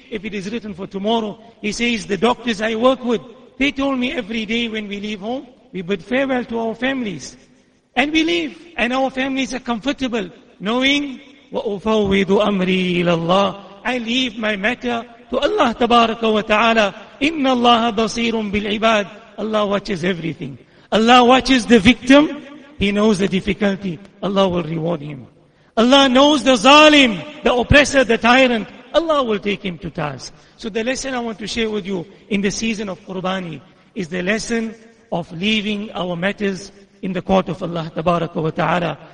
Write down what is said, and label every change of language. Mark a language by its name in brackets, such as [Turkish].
[English] If it is written for tomorrow, he says, the doctors I work with, they told me every day when we leave home, we bid farewell to our families. And we leave. And our families are comfortable knowing, [Arabic] وَأُفَوِّضُ أَمْرِي إِلَى اللَّهِ, [English] I leave my matter to Allah tabaraka wa ta'ala. [Arabic] إِنَّ اللَّهَ بَصِيرٌ بِالْعِبَادِ, [English] Allah watches everything. Allah watches the victim. He knows the difficulty. Allah will reward him. Allah knows the zalim, the oppressor, the tyrant. Allah will take him to task. So the lesson I want to share with you in the season of Qurbani is the lesson of leaving our matters in the court of Allah tabaraka wa ta'ala.